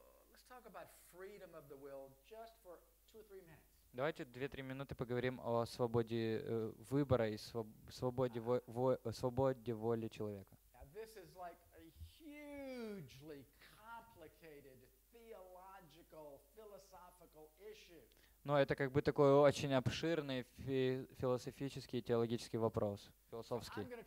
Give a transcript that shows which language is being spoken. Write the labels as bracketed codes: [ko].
[en] Let's talk about freedom of the will just for 2-3 minutes. [ru] Давайте 2-3 минуты поговорим о свободе выбора и свободе свободе воли человека. [en] Now, this is like a hugely complicated theological, philosophical issue. [ru] Но это как бы такой очень обширный философический, теологический вопрос, философский.